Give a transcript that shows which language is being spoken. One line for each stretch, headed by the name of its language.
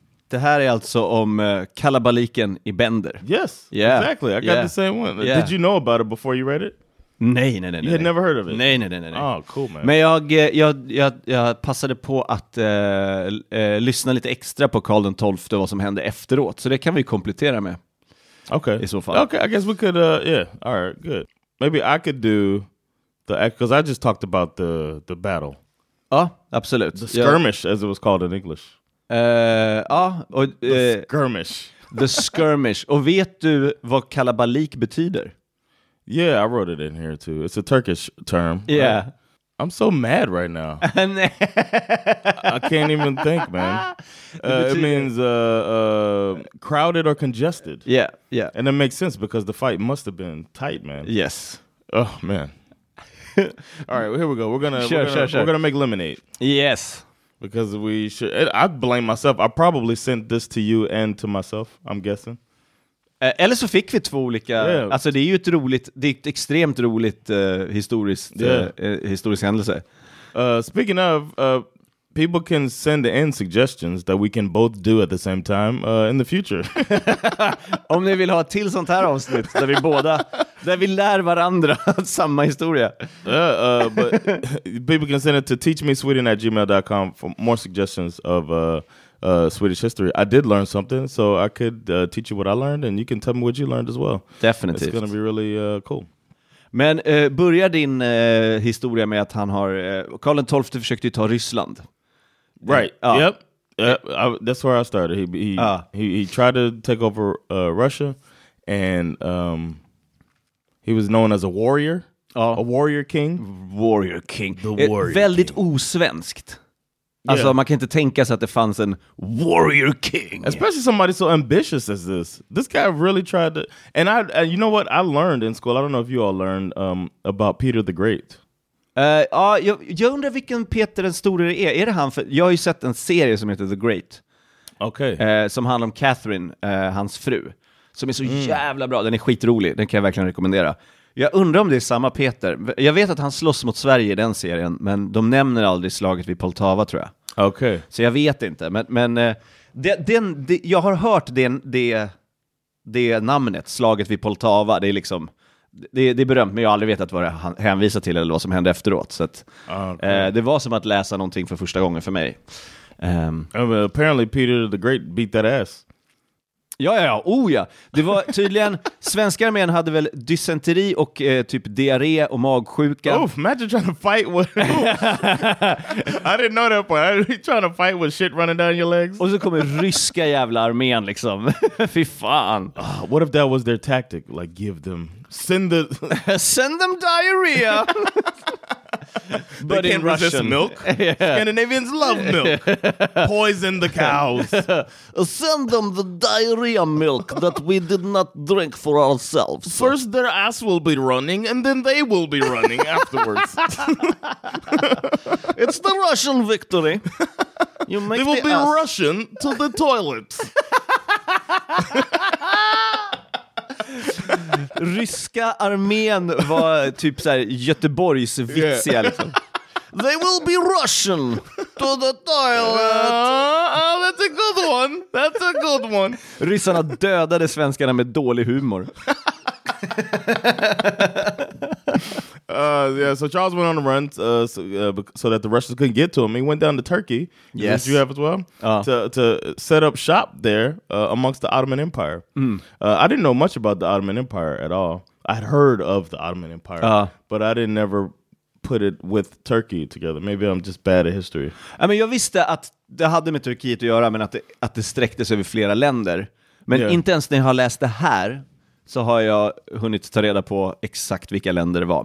Swedish: Det här är alltså om Kalabaliken i Bender.
English: Yes, exactly. I got the same one. Yeah. Did you know about it before you read it?
Swedish: Nej, nej, nej, nej.
English: You had never heard of it?
Swedish: Nej, nej, nej, nej.
English: Oh, cool, man.
Swedish: Men jag passade på att lyssna lite extra på Karl den 12:e och vad som hände efteråt. Så det kan vi komplettera med.
English: Okay.
Swedish: I så fall.
English: Okay, I guess we could, yeah. All right, good. Maybe I could do the, because I just talked about the battle.
Swedish: Ja, absolut.
English: The skirmish, as it was called in English. The skirmish. The skirmish.
Swedish: Och vet du vad kalabalik betyder?
English: Yeah, I wrote it in here too. It's a Turkish term. Yeah. I'm so mad right now. I can't even think, man. It means crowded or congested. Yeah, yeah. And it makes sense because the fight must have been tight, man. Yes. Oh, man. All right, well, here we go. We're going to make lemonade. Yes. Because we should. I blame myself. I probably sent this to you and to myself, I'm guessing.
Swedish: Eller så fick vi två olika, yeah. Alltså det är ju ett roligt, det är ett extremt roligt historisk händelse.
English: Speaking of, people can send in suggestions that we can both do at the same time in the future.
Swedish: Om ni vill ha ett till sånt här avsnitt där vi båda, där vi lär varandra samma historia.
English: But people can send it to teachmesweden@gmail.com for more suggestions of... Swedish history. I did learn something, so I could teach you what I learned, and you can tell me what you learned as well. Definitely, it's gonna be really cool.
Swedish: Men börjar din historia med att han har Karl den 12:e försökte ta Ryssland.
English: Right. Yep. That's where I started. He tried to take over Russia, and he was known as a warrior, a warrior king. Warrior king. The warrior.
Swedish: Väldigt osvenskt. Alltså, yeah. Man kan inte tänka sig att det fanns en
English: warrior king. Especially somebody so ambitious as this. This guy really tried to... And I, you know what? I learned in school. I don't know if you all learned about Peter the Great.
Swedish: Jag undrar vilken Peter den store det är. Är det han? För jag har ju sett en serie som heter The Great.
English: Okay.
Swedish: Som handlar om Catherine, hans fru. Som är så jävla bra. Den är skitrolig. Den kan jag verkligen rekommendera. Jag undrar om det är samma Peter. Jag vet att han slåss mot Sverige i den serien, men de nämner aldrig slaget vid Poltava, tror jag. Okej. Okay. Så jag vet inte, men jag har hört det namnet, slaget vid Poltava. Det är liksom det är berömt, men jag har aldrig vetat vad det hänvisar till eller vad som hände efteråt. Så att,
English: okay.
Swedish: Det var som att läsa någonting för första gången för mig.
English: Apparently Peter the Great beat that ass.
Swedish: Ja. Oh ja. Det var tydligen svenska armén hade väl dysenteri och typ diarré och magsjuka.
English: Oof, imagine trying to fight with I didn't know that point. Are you trying to fight with shit running down your legs?
Swedish: Och så kommer ryska jävla armén liksom. Fy fan.
English: What if that was their tactic? Like give them send them diarrhea. But they can't resist Russian milk. Yeah. Scandinavians love milk. Poison the cows. Send them the diarrhea milk that we did not drink for ourselves. First their ass will be running, and then they will be running afterwards. It's the Russian victory. You make they will the be ass. Russian to the toilet.
Swedish: Ryska armén var typ så här Göteborgs vitsiga, yeah.
English: Liksom. They will be Russian to the toilet. Oh, that's a good one. That's a good one.
Swedish: Ryssarna dödade svenskarna med dålig humor.
English: So Charles went on the run so that the Russians couldn't get to him. He went down to Turkey, yes, which you have as well, to set up shop there amongst the Ottoman Empire. Mm. I didn't know much about the Ottoman Empire at all. I'd heard of the Ottoman Empire, but I didn't ever put it with Turkey together. Maybe I'm just bad at history. I mean,
Swedish: jag visste att det hade med Turkiet att göra, men att det sträcktes över flera länder. Men yeah, inte ens när jag har läst det här så har jag hunnit ta reda på exakt vilka länder det var.